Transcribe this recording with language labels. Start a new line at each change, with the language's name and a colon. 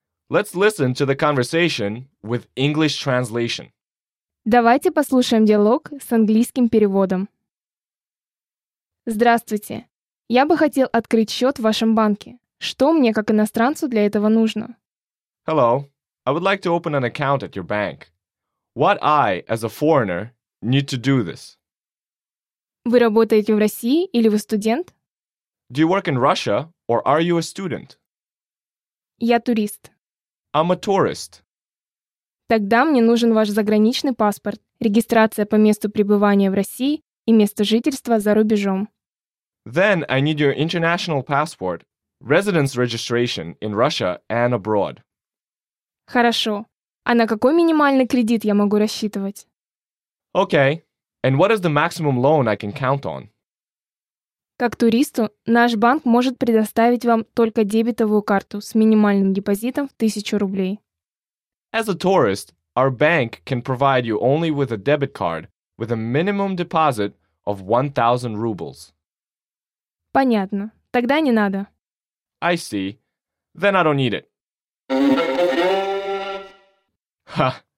English: Let's listen to the conversation with English translation.
Russian: Давайте послушаем диалог с английским переводом. Здравствуйте. Я бы хотел открыть счет в вашем банке. Что мне, как иностранцу, для этого нужно?
English: Hello. I would like to open an account at your bank. What I, as a foreigner, need to do this?
Russian: Вы работаете в России или вы студент?
English: Do you work in Russia or are you a student?
Russian: Я турист.
English: I'm a tourist.
Russian: Тогда мне нужен ваш заграничный паспорт, регистрация по месту пребывания в России и место жительства за рубежом.
English: Then I need your international passport, residence registration in Russia and abroad.
Russian: Хорошо. А на какой минимальный кредит я могу рассчитывать?
English: Okay. And what is the maximum loan I can count on?
Russian: Как туристу, наш банк может предоставить вам только дебетовую карту с минимальным депозитом в 1000 рублей.
English: As a tourist, our bank can provide you only with a debit card with a minimum deposit of 1000 rubles.
Russian: Понятно. Тогда не надо.
English: I see. Then I don't need it. Ha!